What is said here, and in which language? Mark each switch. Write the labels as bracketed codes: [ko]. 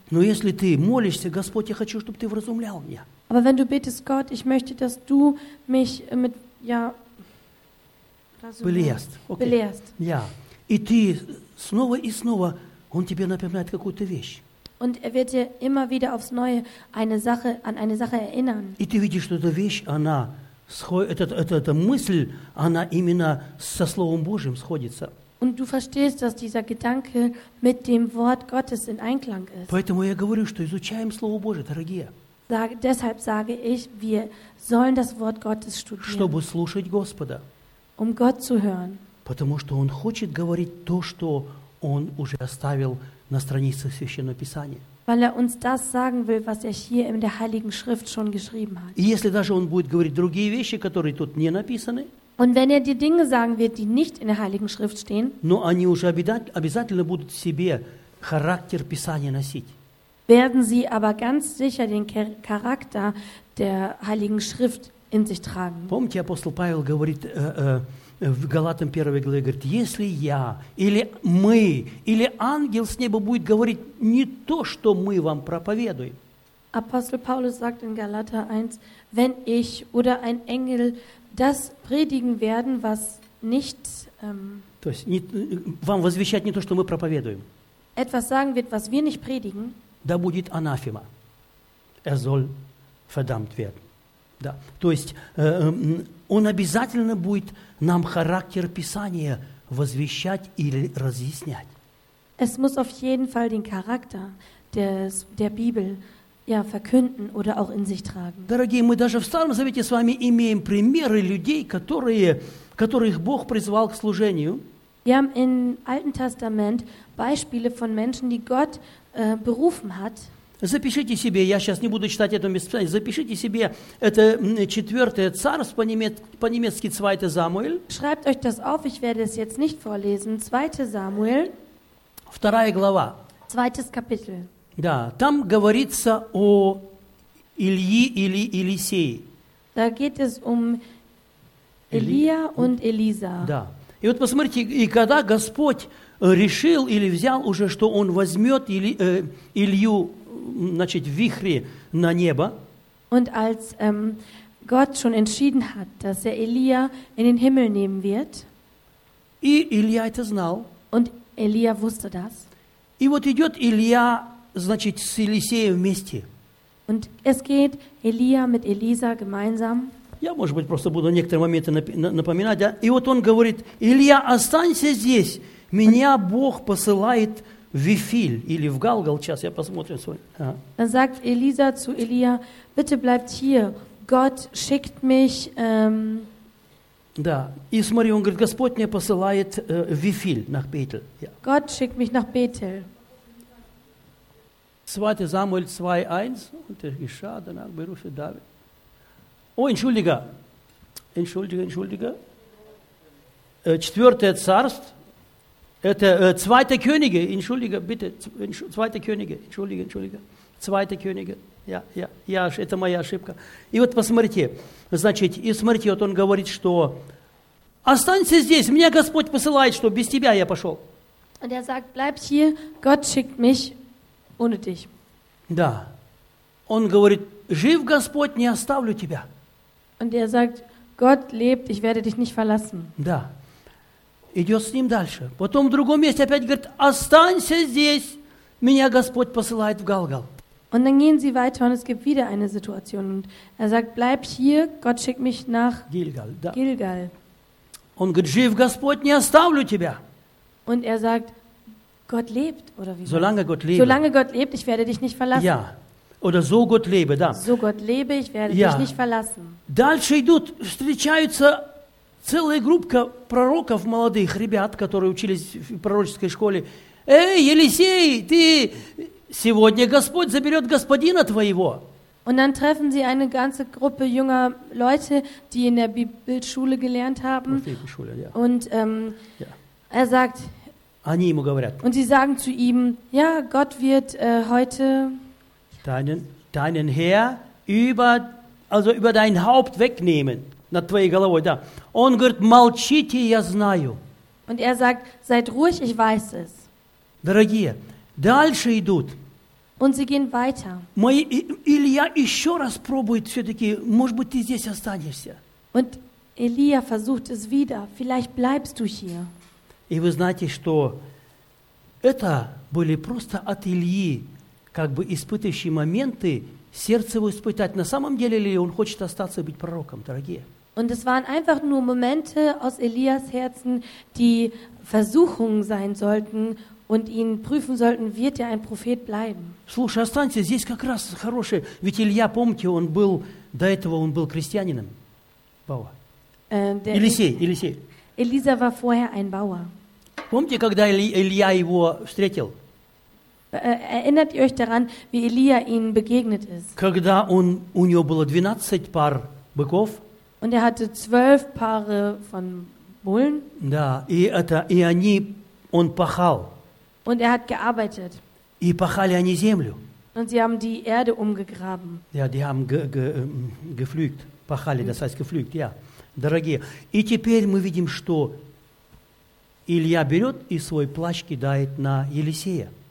[ru] Но если ты молишься, Господь, я хочу, чтобы ты вразумлял меня. [de] Aber wenn du betest, Gott, ich möchte, dass du mich mit, ja, belehrst. Okay. Belehrst. Ja. [ru] И ты снова и снова, он тебе напоминает какую-то вещь. [de] Und er wird dir immer wieder aufs Neue an eine Sache erinnern. [ru] И ты видишь, что эта вещь, она эта мысль, она именно со Словом Божьим сходится. [de] Und du verstehst, dass dieser Gedanke mit dem Wort Gottes in Einklang ist. [ru] Поэтому я говорю, что изучаем Слово Божие, дорогие. [de] Deshalb sage ich, wir sollen das Wort Gottes studieren. [ru] Чтобы слушать Господа. [de] Um Gott zu hören. [ru] Потому что Он хочет говорить то, что Он уже оставил на страницах Священного Писания. [de] Weil er uns das sagen will, was er hier in der Heiligen Schrift schon geschrieben hat. [ru] И если даже Он будет говорить другие вещи, которые тут не написаны, [de] und wenn er dir Dinge sagen wird, die nicht in der Heiligen Schrift stehen, [ru] но они уже обязательно будут в себе характер Писания носить, [de] werden sie aber ganz sicher den Charakter der Heiligen Schrift in sich tragen. [ru] Помните, апостол Павел говорит в Галатам 1 главе, говорит, если я, или мы, или ангел с неба будет говорить не то, что мы вам проповедуем. Апостол Павел говорит в Галатам 1, [de] wenn ich oder ein Engel das predigen werden, was nicht, [ru] то есть, не, вам возвещать не то, что мы проповедуем. [de] Etwas sagen wird, was wir nicht predigen. [ru] Да будет анафема. [de] Er soll verdammt werden. [ru] Да. То есть, он обязательно будет нам характер Писания возвещать или разъяснять. [de] Es muss auf jeden Fall den Charakter der Bibel, ja, verkünden oder auch in sich tragen. [ru] Дорогие, мы даже в Старом Завете с вами имеем примеры людей, которых Бог призвал к служению. [de] Wir haben im Alten Testament Beispiele von Menschen, die Gott berufen hat. [ru] Запишите себе, я сейчас не буду читать это местописание, запишите себе это четвертое царство по-немецки Zweite Samuel. [de] Schreibt euch das auf, ich werde es jetzt nicht vorlesen. Zweite Samuel. [ru] Вторая глава. [de] Zweites Kapitel. [ru] Да, там говорится о Илье или Елисее. [de] Da geht es um Илия und Элиза. [ru] Да. И вот посмотрите, и когда Господь решил или взял уже, что Он возьмет Илью, значит, в вихре на небо. [de] Und als Gott schon entschieden hat, dass er Илия in den Himmel nehmen wird. [ru] И Илья это знал. [de] Und Илия wusste das. [ru] И вот идет Илья, значит, с Елисеем вместе. [de] Und es geht Илия mit Элиза gemeinsam. [ru] Я, может быть, просто буду некоторые моменты напоминать. Да? И вот он говорит, Илья, останься здесь. Меня Бог посылает в Вифиль или в Галгал. Сейчас я посмотрю. Свой. [de] Dann sagt Элиза zu Илия, bitte bleibt hier. Gott schickt mich. [ru] Да. И смотри, он говорит, Господь мне посылает в Вифиль, [de] nach Betel. Gott schickt mich nach Betel. 2. Samuel 2.1 und der geschah, danach berufe David. Oh, Entschuldige. 4. Zarst, 2. Könige, Entschuldige, bitte, 2. Könige, Entschuldige. 2. Könige, ja, [ru] это моя ошибка. И вот посмотрите, значит, и смотрите, вот он говорит, что останься здесь, меня Господь посылает, что без тебя я пошел. [de] Und er sagt, bleib hier, Gott schickt mich ohne dich. [ru] Да. Он говорит, жив Господь, не оставлю тебя. [de] Und er sagt: Gott lebt, ich werde dich nicht verlassen. [ru] Да. Идёт с ним дальше. Потом в другом месте опять говорит: останься здесь. Меня Господь посылает в Галгал. [de] Und dann gehen sie weiter und es gibt wieder eine Situation und er sagt: Bleib hier, Gott schickt mich nach [ru] Gilgal. Да. [de] Gilgal. [ru] Он говорит: Жив Господь, не оставлю тебя. [de] Und er sagt: Gott lebt oder wie? Solange Gott lebt. Solange Gott lebt, ich werde dich nicht verlassen. Ja. Oder so Gott lebe, да. So Gott lebe, ich werde ja. dich nicht verlassen. [ru] Дальше идут, встречаются целая группа пророков молодых ребят, которые учились в пророческой школе. Эй, Елисей, ты сегодня Господь заберет господина твоего. [de] Und dann treffen sie eine ganze Gruppe junger Leute, die in der Bibelschule gelernt haben. Bibelschule, ja. Und ja. er sagt. [ru] Они ему говорят. [de] Und sie sagen zu ihm, ja, Gott wird heute deinen Herr über, also über dein Haupt wegnehmen. [ru] Над твоей головой, да. Он говорит, молчите, я знаю. [de] Und er sagt, seid ruhig, ich weiß es. [ru] Дорогие, дальше идут. [de] Und sie gehen weiter. [ru] Мои, Илья еще раз пробует все-таки, может быть, ты здесь останешься. [de] Und Илья versucht es wieder, vielleicht bleibst du hier. [ru] И вы знаете, что это были просто от Ильи, как бы испытывающие моменты, сердце его испытать, на самом деле ли он хочет остаться и быть пророком, дорогие. [de] Und es waren einfach nur Momente aus Elias Herzen, die Versuchungen sein sollten und ihn prüfen sollten, wird er ein Prophet bleiben. [ru] Слушай, останься, здесь как раз хорошее. Ведь Илья, помните, он был, до этого он был крестьянином. Бауа. Елисей. [de] Элиза war vorher ein Bauer. [ru] Помните, когда Илья его встретил? [de] Erinnert ihr euch daran, wie Elia ihnen begegnet ist? [ru] Когда он, у него было 12 пар быков. [de] Und er hatte 12 Paare von Bullen. [ru] Да, и это, и они, он пахал. [de] Und er hat gearbeitet. [ru] И пахали они землю. [de] Und sie haben die Erde umgegraben. Ja, die haben gepflügt, пахали, das heißt gepflügt, ja. [ru] Дорогие, и теперь мы видим, что Илья берет и свой плащ кидает на Елисея.